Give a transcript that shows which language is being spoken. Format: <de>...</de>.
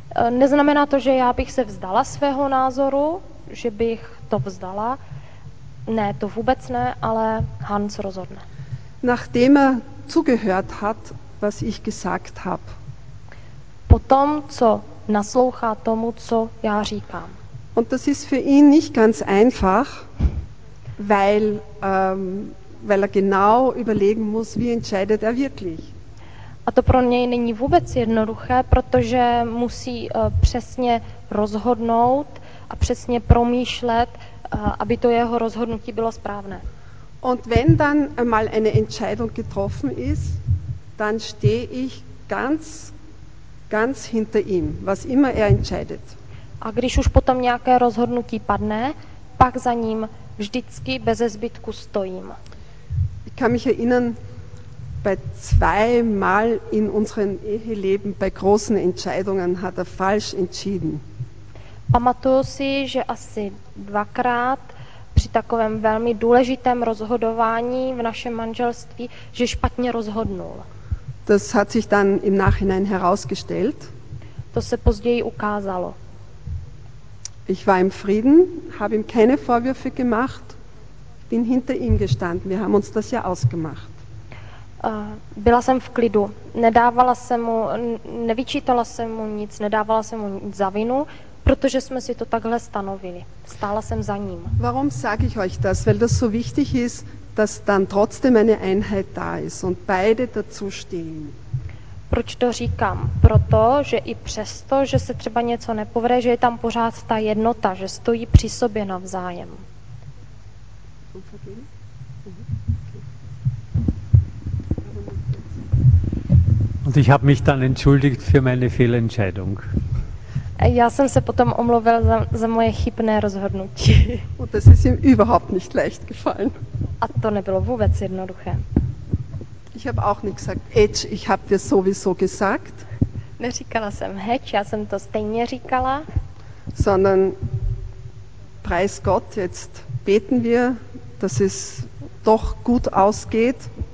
<cs>Neznamená to, že já bych se vzdala svého názoru, že bych to vzdala. Ne, to vůbec ne, ale Hans rozhodne.</cs> <de>Nachdem zugehört hat, was ich gesagt habe.</de> <cs>Potom, co naslouchá tomu, co já říkám.</cs> <de>Und das ist für ihn nicht ganz einfach, weil weil er genau überlegen muss, wie entscheidet wirklich.</de> <cs>A to pro něj není vůbec jednoduché, protože musí přesně rozhodnout a přesně promýšlet, aby to jeho rozhodnutí bylo správné.</cs> <de>Und wenn dann mal eine Entscheidung getroffen ist, dann stehe ich ganz hinter ihm, was immer entscheidet.</de> <cs>A když už potom nějaké rozhodnutí padne, pak za ním vždycky beze zbytku stojím.</cs> <de>Ich kann mich erinnern, bei zweimal in unserem Eheleben bei großen Entscheidungen hat falsch entschieden.</de> <cs>Pamatuju si, že asi dvakrát při takovém velmi důležitém rozhodování v našem manželství, že špatně rozhodnul.</cs> <de>Das hat sich dann im Nachhinein herausgestellt.</de> <cs>To se později ukázalo.</cs> <de>Ich war im Frieden, habe ihm keine Vorwürfe gemacht, bin hinter ihm gestanden. Wir haben uns das ja ausgemacht.</de> <cs>Byla jsem v klidu. Nedávala jsem mu, nevyčítala jsem mu nic, nedávala jsem mu nic za vinu, protože jsme si to takhle stanovili. Stála jsem za ním.</cs> <de>Warum sage ich euch das? Weil das so wichtig ist, dass dann trotzdem eine Einheit da ist und beide dazu stehen.</de> <cs>Proč to říkám? Proto, že i přesto, že se třeba něco nepovede, že je tam pořád ta jednota, že stojí při sobě navzájem.</cs> <de>Und ich habe mich dann entschuldigt für meine Fehlentscheidung.</de> <cs>Já jsem se potom omluvil za moje chybné rozhodnutí.</cs> <de>Und das ist ihm überhaupt nicht leicht gefallen.</de> <cs>A to nebylo vůbec jednoduché.</cs> <de>Ich habe auch nicht gesagt, Edge, ich habe dir sowieso gesagt.</de> <cs>Neříkala jsem Hedge, já jsem to stejně říkala.</cs> <de>Sondern preis Gott, jetzt beten wir, dass es doch gut ausgeht.</de>